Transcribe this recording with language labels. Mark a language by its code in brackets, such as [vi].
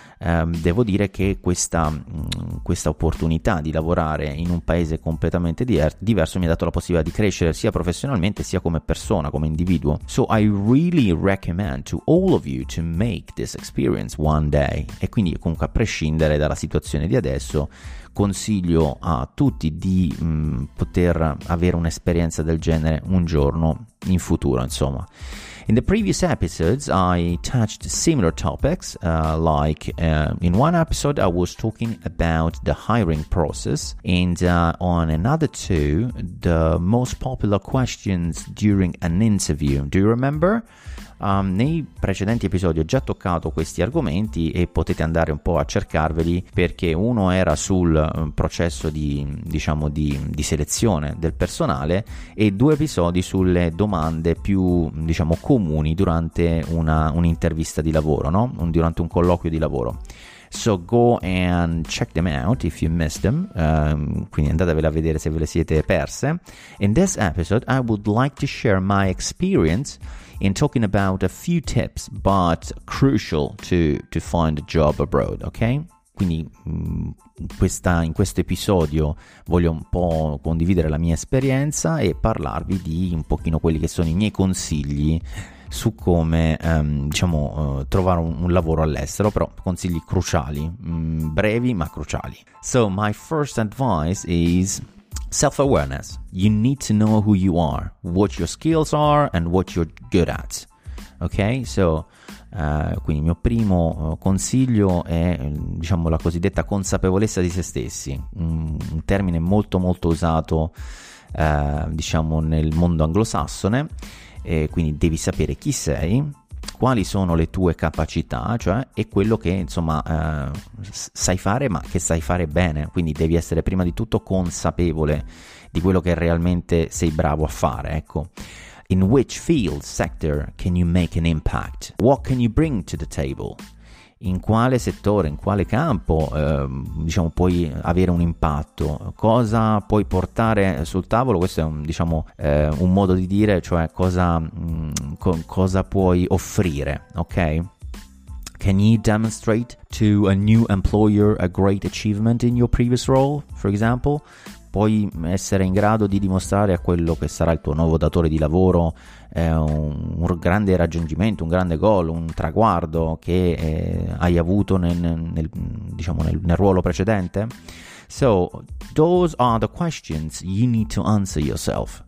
[it] Devo dire che questa opportunità di lavorare in un paese completamente diverso mi ha dato la possibilità di crescere sia professionalmente sia come persona, come individuo. [en] So I really recommend to all of you to make this experience one day. [it] E quindi, comunque, a prescindere dalla situazione di adesso, consiglio a tutti di poter avere un'esperienza del genere un giorno in futuro, insomma. [en] In the previous episodes, I touched similar topics, like in one episode I was talking about the hiring process, and on another two, the most popular questions during an interview. Do you remember? [it] Nei precedenti episodi ho già toccato questi argomenti e potete andare un po' a cercarveli, perché uno era sul processo di selezione del personale e 2 episodi sulle domande più, diciamo, comuni durante un'intervista di lavoro, no? Durante un colloquio di lavoro. [en] So go and check them out if you missed them. [it] Quindi andatevela a vedere se ve le siete perse. [en] In this episode, I would like to share my experience in talking about a few tips, but crucial to find a job abroad, okay? [it] Quindi in questo episodio voglio un po' condividere la mia esperienza e parlarvi di un pochino quelli che sono i miei consigli su come trovare un lavoro all'estero, però consigli cruciali, brevi ma cruciali. [en] So my first advice is self-awareness. You need to know who you are, what your skills are and what you're good at. [it] Ok, so quindi il mio primo consiglio è la cosiddetta consapevolezza di se stessi, un termine molto molto usato nel mondo anglosassone. E quindi devi sapere chi sei, quali sono le tue capacità, cioè e quello che sai fare, ma che sai fare bene. Quindi devi essere prima di tutto consapevole di quello che realmente sei bravo a fare, ecco. [en] In which field, sector can you make an impact? What can you bring to the table? [it] In quale settore, in quale campo puoi avere un impatto? Cosa puoi portare sul tavolo? Questo è un modo di dire, cioè cosa puoi offrire, ok? [en] Can you demonstrate to a new employer a great achievement in your previous role, for example? [it] Puoi essere in grado di dimostrare a quello che sarà il tuo nuovo datore di lavoro un grande raggiungimento, un grande goal, un traguardo che hai avuto nel ruolo precedente? [en] So, those are the questions you need to answer yourself.